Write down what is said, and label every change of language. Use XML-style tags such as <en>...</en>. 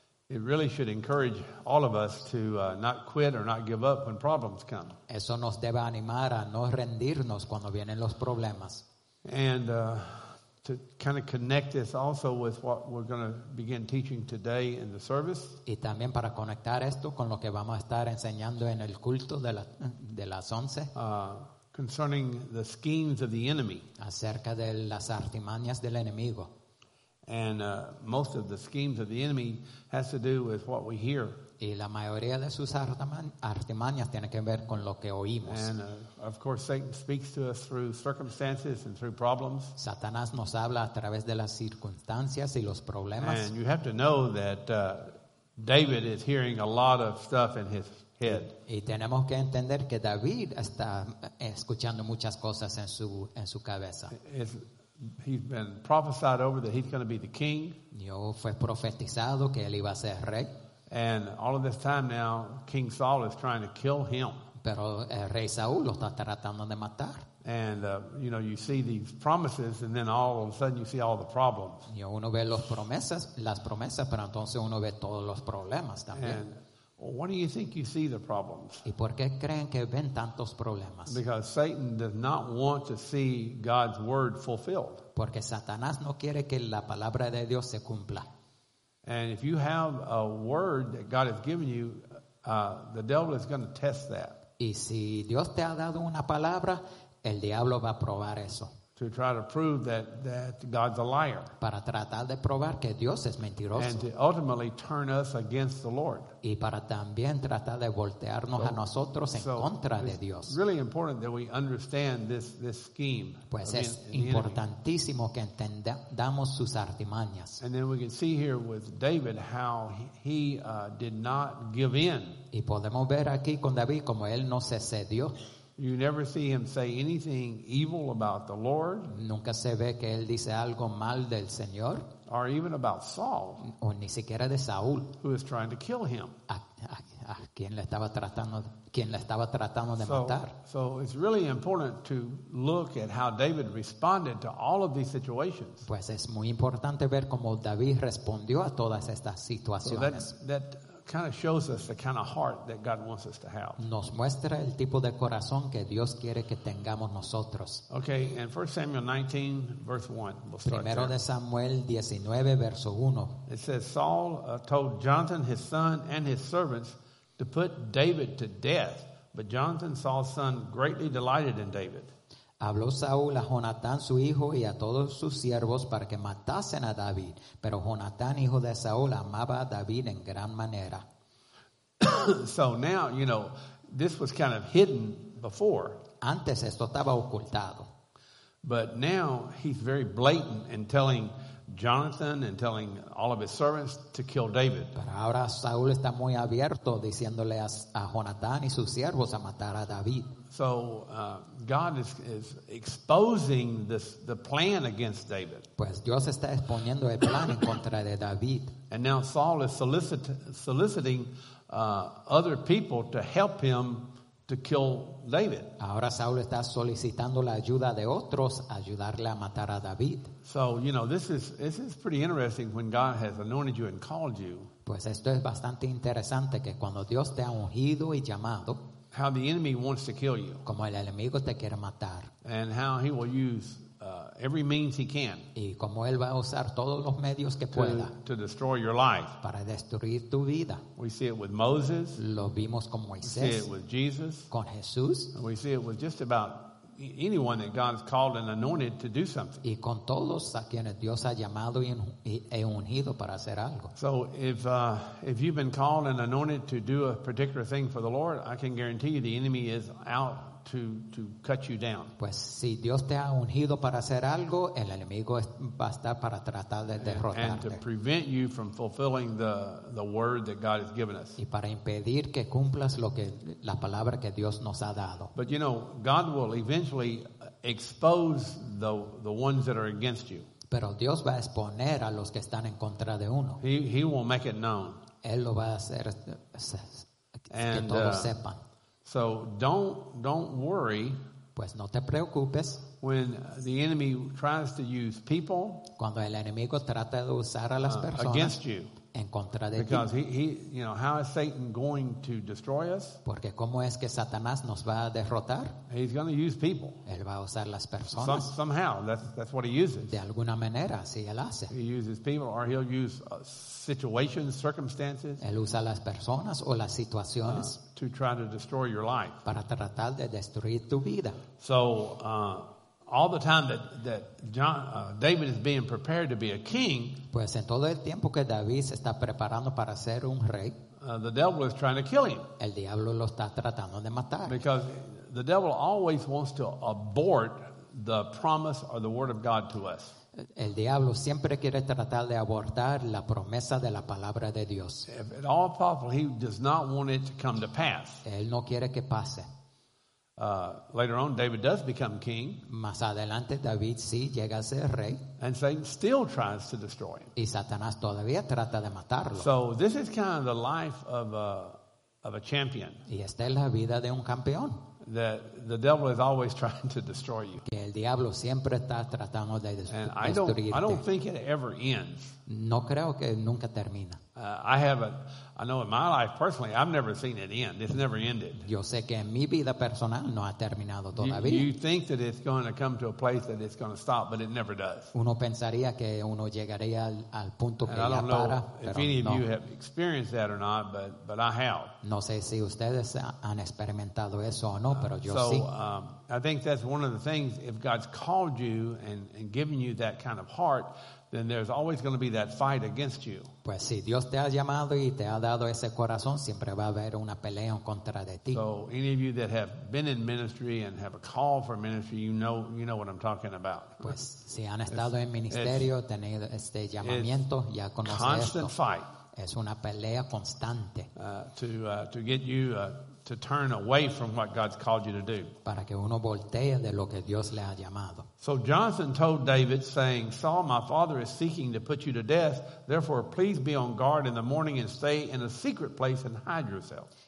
<en>It really should encourage all of us to not quit or not give up when problems come.</en> <es>Eso nos debe animar a no rendirnos cuando vienen los problemas.</es> <en>And to kind of connect this also with what we're going to begin teaching today in the service.</en> <es>Y también para conectar esto con lo que vamos a estar enseñando en el culto de las 11.</es> <en>Concerning the schemes of the enemy.</en> <es>Acerca de las artimañas del enemigo.</es> <en>And most of the schemes of the enemy has to do with what we hear.</en> <es>Y la mayoría de sus artimañas tiene que ver con lo que oímos.</es> <en>And of course, Satan speaks to us through circumstances and through problems.</en> <es>Satanás nos habla a través de las circunstancias y los problemas.</es> <en>And you have to know that David is hearing a lot of stuff in his head.</en> <es>Y tenemos que entender que David está escuchando muchas cosas en su cabeza.</es> <en>He's been prophesied over that he's going to be the king.</en> <es>Yo fue profetizado que él iba a ser rey.</es> <en>And all of this time now, King Saul is trying to kill him.</en> <es>Pero el rey Saúl lo está tratando de matar.</es> <en>And you know, you see these promises, and then all of a sudden you see all the problems.</en> <es>Y uno ve las promesas, pero entonces uno ve todos los problemas también.</es> <en>And why do you think you see the problems?</en> <es>¿Y por qué creen que ven tantos problemas?</es> <en>Because Satan does not want to see God's word fulfilled.</en> <es>Porque Satanás no quiere que la palabra de Dios se cumpla.</es> <en>And if you have a word that God has given you, the devil is going to test that.</en> <es>Y si Dios te ha dado una palabra, el diablo va a probar eso.</es> <en>To try to prove that God's a liar.</en> <es>Para tratar de probar que Dios es mentiroso.</es> <en>And to ultimately turn us against the Lord.</en> <es>Y para también tratar de voltearnos a nosotros en contra de Dios.</es> <en>It's really important that we understand this scheme.</en> <es>Pues es importantísimo que entendamos sus artimañas.</es> <en>And then we can see here with David how he did not give in.</en> <es>Y podemos ver aquí con David como él no se cedió.</es> <en>You never see him say anything evil about the Lord.</en> <es>Nunca se ve que él dice algo mal del Señor.</es> <en>Or even about Saul.</en> <es>O ni siquiera de Saúl.</es> <en>Who is trying to kill him.</en> <es>A quien le estaba tratando de matar.</es> <en>So it's really important to look at how David responded to all of these situations.</en> <es>Pues es muy importante ver cómo David respondió a todas estas situaciones.</es> <en>So that kind of shows us the kind of heart that God wants us to have.</en> <es>Nos muestra el tipo de corazón que Dios quiere que tengamos nosotros.</es> <en>Okay, in 1 Samuel 19, verse 1. We'll start</en> <es>Primero</es> <en>there.</en> <es>De Samuel 19, verso 1.</es> <en>It says, Saul told Jonathan, his son, and his servants to put David to death. But Jonathan, Saul's son, greatly delighted in David.</en> <es>Habló Saúl a Jonatán, su hijo, y a todos sus siervos para que matasen a David. Pero Jonatán, hijo de Saúl, amaba a David en gran manera.</es> <en>So now, you know, this was kind of hidden before.</en> <es>Antes esto estaba ocultado.</es> <en>But now he's very blatant in telling Jonathan and telling all of his servants to kill David.</en> <es>Pero ahora Saúl está muy abierto diciéndole a Jonatán y sus siervos a matar a David.</es> <en>So God is exposing the plan against David.</en> <es>Pues Dios está exponiendo el plan en contra de David.</es> <en>And now Saul is soliciting other people to help him to kill David.</en> <es>Ahora Saul está solicitando la ayuda de otros a ayudarle a matar a David.</es> <en>So you know this is pretty interesting when God has anointed you and called you.</en> <es>Pues esto es bastante interesante que cuando Dios te ha ungido y llamado.</es> <en>How the enemy wants to kill you.</en> <es>Como el enemigo te quiere matar.</es> <en>And how he will use every means he can.</en> <es>Y como él va a usar todos los medios que pueda.</es> <en>To destroy your life.</en> <es>Para destruir tu vida.</es> <en>We see it with Moses.</en> <es>Lo vimos con Moisés.</es> <en>We see it with Jesus.</en> <es>Con Jesús.</es> <en>We see it with just about anyone that God has called and anointed to do something.</en> <es>Y con todos a quienes Dios ha llamado y ungido para hacer algo.</es> <en>So if you've been called and anointed to do a particular thing for the Lord, I can guarantee you the enemy is out to cut you down.</en> <es>Pues si Dios te ha ungido para hacer algo, el enemigo va a estar para tratar de derrotarte.</es> <en>And to prevent you from fulfilling the word that God has given us.</en> <es>Y para impedir que cumplas lo que la palabra que Dios nos ha dado.</es> <en>But you know, God will eventually expose the ones that are against you.</en> <es>Pero Dios va a exponer a los que están en contra de uno.</es> <en>He will make it known.</en> <es>Él lo va a hacer</es> <en>and,</en> <es>que todos sepan.</es> <en>So don't worry.</en> <es>Pues no te preocupes.</es> <en>When the enemy tries to use people,</en> <es>cuando el enemigo trata de usar a las personas</es> <en>against you,</en> <es>en contra de</es> <en>because</en> <es>ti.</es> <en>Because he, you know, how is Satan going to destroy us?</en> <es>Porque cómo es que Satanás nos va a derrotar?</es> <en>He's going to use people.</en> <es>Él va a usar las personas.</es> <en>Somehow, that's what he uses.</en> <es>De alguna manera, así él hace.</es> <en>He uses people, or he'll use situations, circumstances.</en> <es>Él usa las personas o las situaciones.</es> <en>To try to destroy your life.</en> <es>Para tratar de destruir tu vida.</es> <en>So, all the time that David is being prepared to be a king.</en> <es>Pues en todo el tiempo que David se está preparando para ser un rey.</es> <en>The devil is trying to kill him.</en> <es>El diablo lo está tratando de matar.</es> <en>Because the devil always wants to abort the promise or the word of God to us.</en> <es>El diablo siempre quiere tratar de abortar la promesa de la palabra de Dios.</es> <en>If at all possible, he does not want it to come to pass.</en> <es>Él no quiere que pase.</es> <en>Later on, David does become king.</en> <es>Más adelante, David sí llega a ser rey.</es> <en>And Satan still tries to destroy him.</en> <es>Y Satanás todavía trata de matarlo.</es> <en>So this is kind of the life of a champion.</en> <es>Y esta es la vida de un campeón.</es> <en>That the devil is always trying to destroy you.</en> <es>Que el diablo siempre está tratando de destruirte.</es> <en>And I don't think it ever ends.</en> <es>No creo que nunca termina.</es> <en>I know in my life personally, I've never seen it end. It's never ended.</en> <es>Yo sé que en mi vida personal no ha terminado todavía.</es> <en>You think that it's going to come to a place that it's going to stop, but it never does.</en> <es>Uno pensaría que uno llegaría al punto que ya para.</es> <en>I don't know if any of</en> <es>no.</es> <en>you have experienced that or not, but I have.</en> <es>No sé si ustedes han experimentado eso o no, pero yo</es> <en>so,</en> <es>sí.</es> <en>I think that's one of the things, if God's called you and given you that kind of heart, then there's always going to be that fight against you.</en> <es>Pues si Dios te ha llamado y te ha dado ese corazón, siempre va a haber una pelea en contra de ti.</es> <en>So any of you that have been in ministry and have a call for ministry, you know what I'm talking about.</en> <es>Pues si han estado en ministerio, tenido este llamamiento, ya conoces esto.</es> <en>Constant fight.</en> <es>Es una pelea constante.</es> <en>To get you to turn away from what God's called you to do.</en> <es>Para que uno voltee de lo que Dios le ha llamado.</es> <en>So Jonathan told David, saying, Saul, my father is seeking to put you to death. Therefore, please be on guard in the morning and stay in a secret place and hide yourself.</en>